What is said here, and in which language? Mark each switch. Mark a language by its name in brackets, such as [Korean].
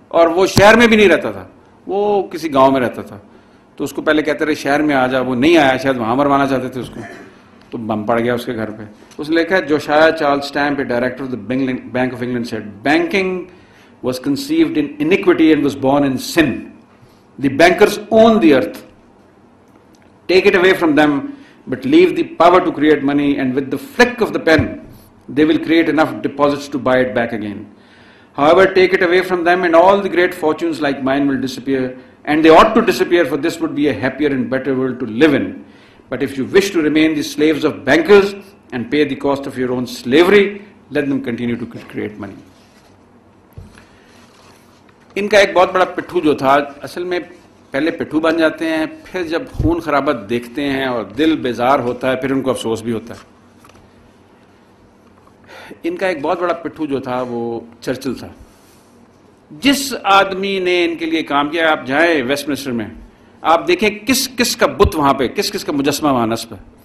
[Urdu] اور وہ شہر میں بھی نہیں رہتا تھا, وہ کسی گاؤں میں رہتا تھا. تو اس کو پہلے کہتے رہے شہر میں آ جا, وہ نہیں آیا, شاید وہاں مروانا چاہتے تھے اس کو, تو بم پڑ گیا اس کے گھر پہ. اس نے لکھا ہے [English] Josiah Charles Stamp a director of the Bank of England said banking was conceived in iniquity and was born in sin. The bankers own the earth. Take it away from them, but leave the power to create money, and with the flick of the pen, they will create enough deposits to buy it back again. However, take it away from them, and all the great fortunes like mine will disappear, and they ought to disappear, for this would be a happier and better world to live in. But if you wish to remain the slaves of bankers and pay the cost of your own slavery, let them continue to create money. [Urdu] ان کا ایک بہت بڑا پٹھو جو تھا, اصل میں پہلے پٹھو بن جاتے ہیں, پھر جب خون خرابت دیکھتے ہیں اور دل بیزار ہوتا ہے, پھر ان کو افسوس بھی ہوتا ہے. ان کا ایک بہت بڑا پٹھو جو تھا وہ چرچل تھا. جس آدمی نے ان کے لیے کام کیا, آپ جائیں ویسٹ منسٹر میں, آپ دیکھیں کس کس کا بت وہاں پہ, کس کس کا مجسمہ وہاں نصب ہے.